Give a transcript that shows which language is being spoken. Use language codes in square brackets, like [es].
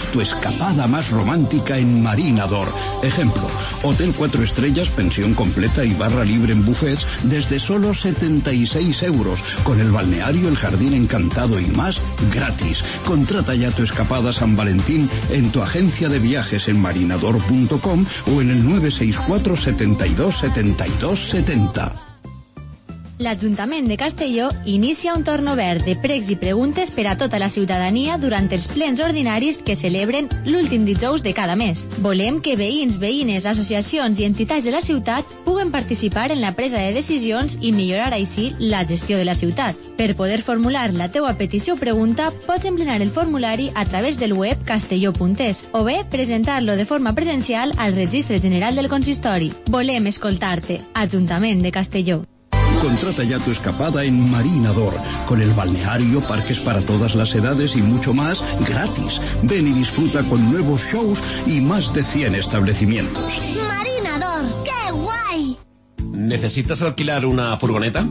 [es] Tu escapada más romántica en Marinador. Ejemplo, hotel 4 estrellas, pensión completa y barra libre en buffets desde solo 76 euros, con el balneario, el jardín encantado y más gratis. Contrata ya tu escapada San Valentín en tu agencia de viajes en marinador.com o en el 964 72 72 70. [ca] L'Ajuntament de Castelló inicia un torn obert de pregs i preguntes per a tota la ciutadania durant els plens ordinaris que celebren l'últim dijous de cada mes. Volem que veïns, veïnes, associacions i entitats de la ciutat puguen participar en la presa de decisions i millorar així la gestió de la ciutat. Per poder formular la teua petició o pregunta, pots emplenar el formulari a través del web castelló.es o bé presentar-lo de forma presencial al Registre General del Consistori. Volem escoltar-te. Ajuntament de Castelló. [es] Contrata ya tu escapada en Marinador, con el balneario, parques para todas las edades y mucho más gratis. Ven y disfruta con nuevos shows y más de 100 establecimientos. ¡Marinador! ¡Qué guay! ¿Necesitas alquilar una furgoneta?